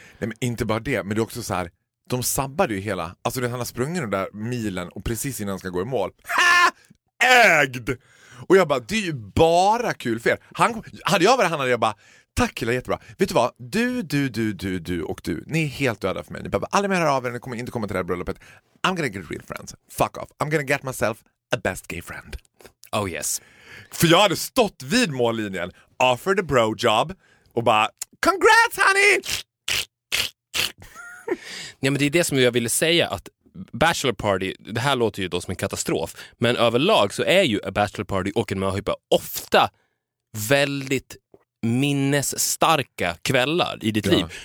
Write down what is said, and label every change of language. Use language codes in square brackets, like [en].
[sv] Nej, men inte bara det, men det är också så här, de sabbade ju hela, alltså det, han har sprungit den där milen och precis innan han ska gå i mål. Ha! Ägd! Och jag bara, det är ju bara kul för er. Han, hade jag varit han hade jag bara, tack killar, jättebra. Vet du vad, du och du, ni är helt döda för mig. Ni behöver aldrig mer höra av er, ni kommer inte komma till det här bröllopet. [en] I'm gonna get real friends, fuck off. I'm gonna get myself a best gay friend. Oh yes. [sv] För jag hade stått vid mållinjen, [en] offered a bro job [sv] och bara, [en] congrats honey! [sv] Ja, men det är det som jag ville säga, att bachelor party, det här låter ju då som en katastrof, men överlag så är ju a bachelor party och en möhyppa ofta väldigt minnesstarka kvällar i ditt liv.